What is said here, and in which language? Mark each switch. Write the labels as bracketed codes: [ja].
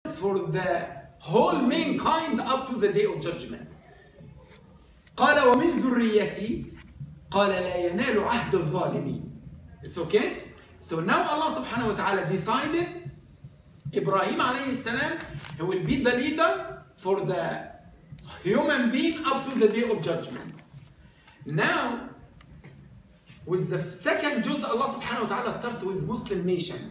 [en] for the whole mankind up to the day of judgment. [ar] قال ومن ذريتي قال لا ينال عهد الظالمين. [en] It's okay. So now Allah subhanahu wa ta'ala decided Ibrahim alayhi salam, he will be the leader for the human being up to the day of judgment. Now, with the second juz, Allah subhanahu wa ta'ala start with Muslim nation.